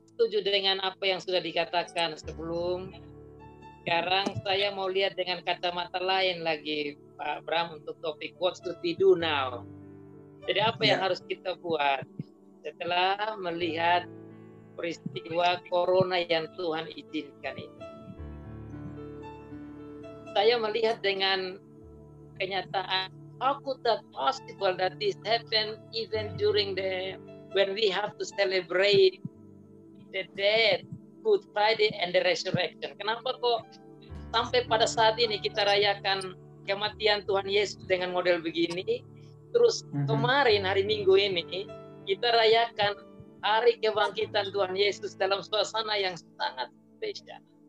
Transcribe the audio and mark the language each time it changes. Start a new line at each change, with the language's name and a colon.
Indonesian: Setuju dengan apa yang sudah dikatakan sebelum. Sekarang saya mau lihat dengan kacamata lain lagi, Pak Bram, untuk topik what to do now. Jadi apa yang harus kita buat setelah melihat peristiwa corona yang Tuhan izinkan ini?
English: Saya melihat dengan kenyataan, how could that possible that this happen even during the when we have to celebrate the death, Good Friday and the resurrection?
Indonesian: Kenapa kok sampai pada saat ini kita rayakan kematian Tuhan Yesus dengan model begini? Terus kemarin hari Minggu ini kita rayakan hari kebangkitan Tuhan Yesus dalam suasana yang sangat spesial.